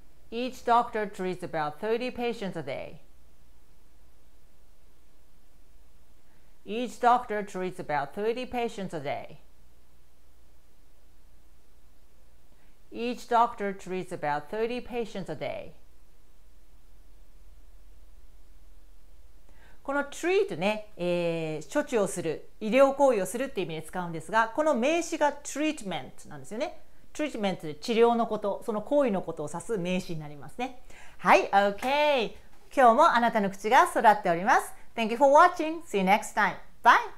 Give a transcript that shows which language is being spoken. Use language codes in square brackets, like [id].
[en] Each doctor treats about 30 patients a day. Each doctor treats about 30 patients a day. Each doctor treats about 30 patients a day. [ja] この treat ね、処置をする、医療行為をするっていう意味で使うんですが、この名詞が treatment なんですよね。 treatment で治療のこと、その行為のことを指す名詞になりますね。はい、OK。今日もあなたの口が育っております。 [en] Thank you for watching. See you next time. Bye.